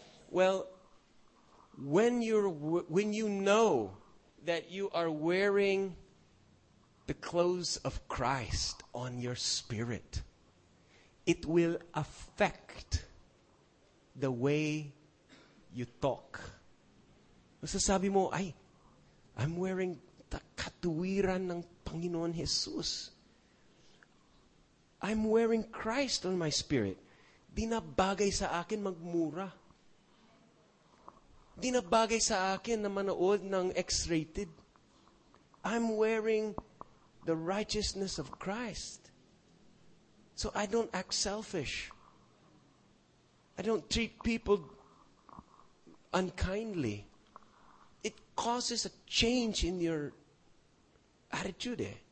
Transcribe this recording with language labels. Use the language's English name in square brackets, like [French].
[English] Well, when you know that you are wearing the clothes of Christ on your spirit, it will affect the way you talk. [Filipino] Masasabi mo, ay, [English] I'm wearing the [Filipino] katuwiran ng Panginoon Jesus. [English] I'm wearing Christ on my spirit. [Filipino] Di na bagay sa akin magmura. Di na bagay sa akin na manood ng X-rated. [English] I'm wearing the righteousness of Christ. So I don't act selfish. I don't treat people unkindly. It causes a change in your attitude.